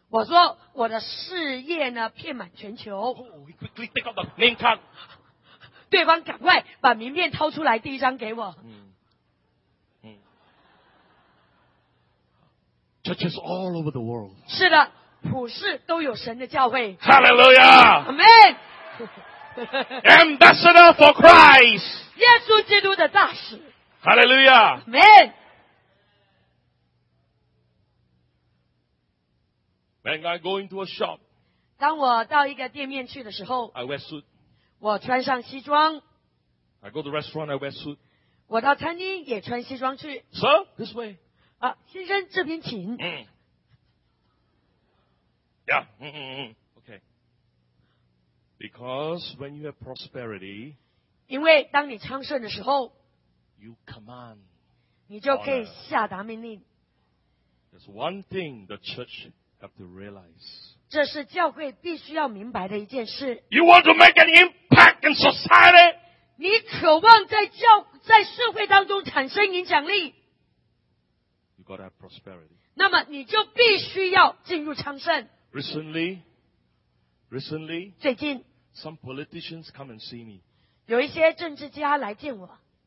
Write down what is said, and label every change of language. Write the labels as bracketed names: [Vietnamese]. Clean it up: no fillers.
[Chinese] 我说我的事业呢遍满全球。 [English] Oh, he quickly take out the name card. [Chinese] 对方赶快把名片掏出来第一张给我。 [English] Churches all over the world. [Chinese] 是的，普世都有神的教会。 [English] Hallelujah. Amen. Ambassador for Christ. [Chinese] 耶稣基督的大使。 [English] Hallelujah. Amen. When I go into a shop, [Chinese] 当我到一个店面去的时候 [English] ，I wear suit. [Chinese] 我穿上西装。 [English] I go to restaurant, I wear suit. [Chinese] 我到餐厅也穿西装去。 [English] So this way. [Chinese] 先生这边请。 [English] Yeah, okay. Because when you have prosperity, [Chinese] 因为当你昌盛的时候 [English] you command, [Chinese] 你就可以下达命令。 [English] There's one thing the church have to realize. [Chinese] 这是教会必须要明白的一件事。 [English] You want to make an impact in society? [Chinese] 你渴望在社会当中产生影响力。 [English] God have prosperity. [Chinese] 那么你就必须要进入昌盛。 [English] Recently, [Chinese] 最近 [English] some politicians come and see me. [Chinese] 有一些政治家来见我。